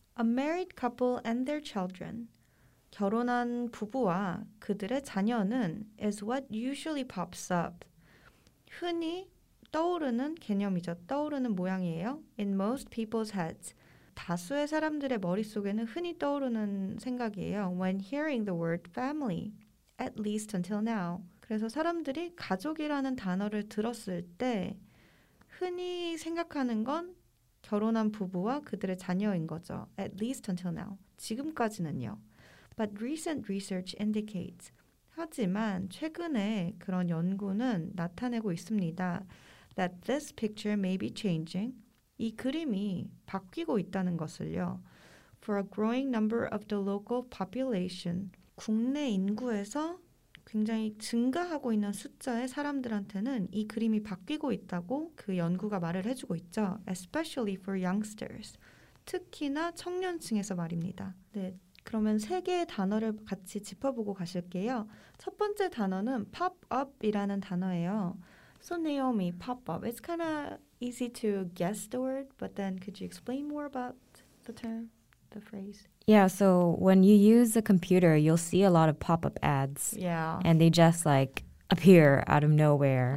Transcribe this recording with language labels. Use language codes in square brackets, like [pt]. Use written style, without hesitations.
[en] A married couple and their children. [ko] 결혼한 부부와 그들의 자녀는 [en] is what usually pops up. [ko] 흔히 떠오르는 개념이죠. 떠오르는 모양이에요. [en] In most people's heads. [ko] 다수의 사람들의 머릿속에는 흔히 떠오르는 생각이에요. [en] When hearing the word family, at least until now. [ko] 그래서 사람들이 가족이라는 단어를 들었을 때 흔히 생각하는 건 결혼한 부부와 그들의 자녀인 거죠. [en] At least until now. [ko] 지금까지는요. [en] But recent research indicates. [ko] 하지만 최근에 그런 연구는 나타내고 있습니다. [en] That this picture may be changing. [ko] 이 그림이 바뀌고 있다는 것을요. [en] For a growing number of the local population. [ko] 국내 인구에서 굉장히 증가하고 있는 숫자의 사람들한테는 이 그림이 바뀌고 있다고 그 연구가 말을 해주고 있죠. [en] Especially for youngsters. [ko] 특히나 청년층에서 말입니다. 네, 그러면 세 개의 단어를 같이 짚어보고 가실게요. 첫 번째 단어는 pop up이라는 단어예요. [en] So Naomi, pop up. It's kind of easy to guess the word, but then could you explain more about the term, the phrase? Yeah, so when you use a computer, you'll see a lot of pop-up ads. Yeah. And they just, like, appear out of nowhere.